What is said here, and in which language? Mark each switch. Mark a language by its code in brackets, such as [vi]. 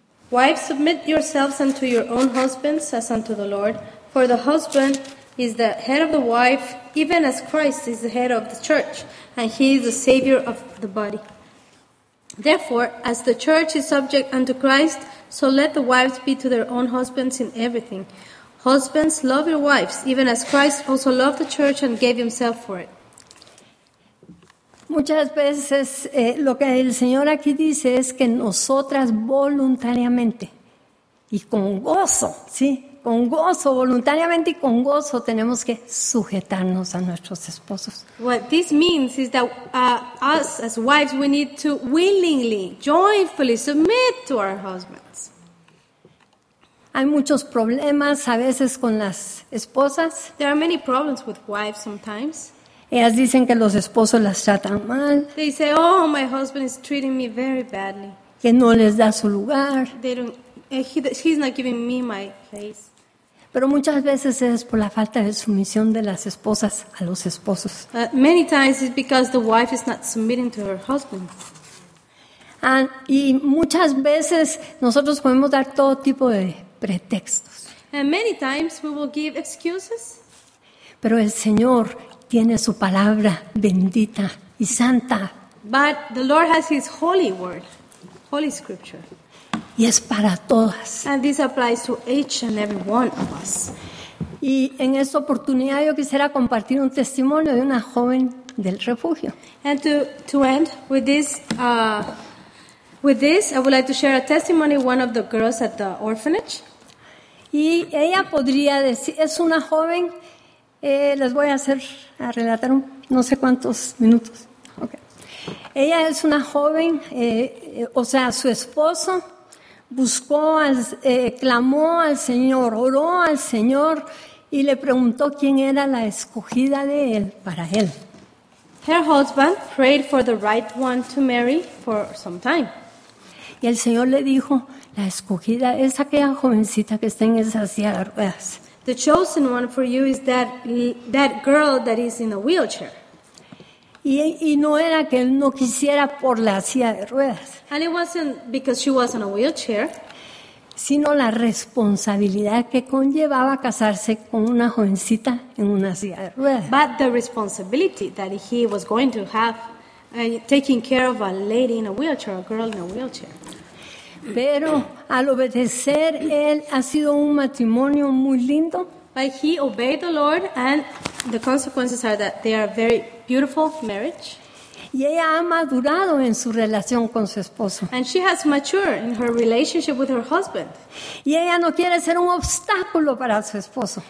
[en] Wives, submit yourselves unto your own husbands as unto the Lord, for the husband is the head of the wife, even as Christ is the head of the church, and he is the Savior of the body. Therefore, as the church is subject unto Christ, so let the wives be to their own husbands in everything. Husbands, love your wives, even as Christ also loved the church and gave himself for it. [es] Muchas veces lo que el Señor aquí dice es que nosotras voluntariamente y con gozo, ¿sí? Con gozo, voluntariamente y con gozo tenemos que sujetarnos a nuestros esposos. [en] What this means is that us as wives, we need to willingly, joyfully submit to our husbands. [es] Hay muchos problemas a veces con las esposas. [en] There are many problems with wives sometimes. [es] Ellas dicen que los esposos las tratan mal. [en] They say, oh, my husband is treating me very badly. [es] Que no les da su lugar. [en] They don't, he's not giving me my place. [es] Pero muchas veces es por la falta de sumisión de las esposas a los esposos. [en] Many times it's because the wife is not submitting to her husband. [es] Y muchas veces nosotros podemos dar todo tipo de pretextos. [en] And many times we will give excuses. [es] Pero el Señor tiene su palabra bendita y santa. [en] But the Lord has his holy word, holy scripture. [es] Y es para todas. [en] And this applies to each and every one of us. [es] Y en esta oportunidad yo quisiera compartir un testimonio de una joven del refugio. [en] And to end with this, I would like to share a testimony of one of the girls at the orphanage. [es] Y ella podría decir, es una joven, les voy a hacer, a relatar un, no sé cuántos minutos. Okay. Ella es una joven, o sea, su esposo buscó, clamó al Señor, oró al Señor y le preguntó quién era la escogida de él para él. [en] Her husband prayed for the right one to marry for some time. [es] Y el Señor le dijo, la escogida es aquella jovencita que está en esa silla de ruedas. [en] The chosen one for you is that girl that is in a wheelchair. [es] Y no era que él no quisiera por la silla de ruedas. [en] And it wasn't because she was in a wheelchair. [es] Sino la responsabilidad que conllevaba casarse con una jovencita en una silla de ruedas. [en] But the responsibility that he was going to have taking care of a lady in a wheelchair, a girl in a wheelchair. [es] Pero al obedecer, él ha sido un matrimonio muy lindo. [en] But he obeyed the Lord, and the consequences are that they are a very beautiful marriage. [es] Y ella ha madurado en su relación con su esposo. [en] And she has matured in her relationship with her husband. [es] Y ella no quiere ser un obstáculo para su esposo.